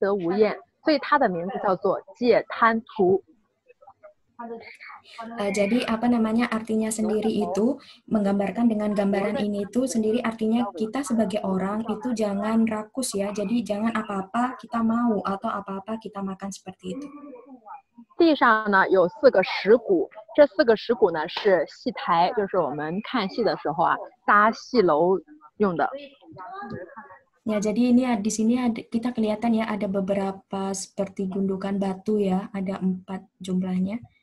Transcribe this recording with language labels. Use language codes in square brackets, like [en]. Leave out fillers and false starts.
[zh] 放在门口呢是告诫孔家人不要贪得无厌，所以他的名字叫做戒贪图。 [id] Jadi apa namanya artinya sendiri itu menggambarkan dengan gambaran ini itu sendiri artinya kita sebagai orang itu jangan rakus ya. Jadi jangan apa-apa kita mau atau apa-apa kita makan seperti itu. [zh] 地上呢有四个石鼓，这四个石鼓呢是戏台，就是我们看戏的时候啊搭戏楼用的。 [id] Ya, jadi ini di sini kita kelihatan ya ada beberapa seperti gundukan batu ya, ada empat jumlahnya.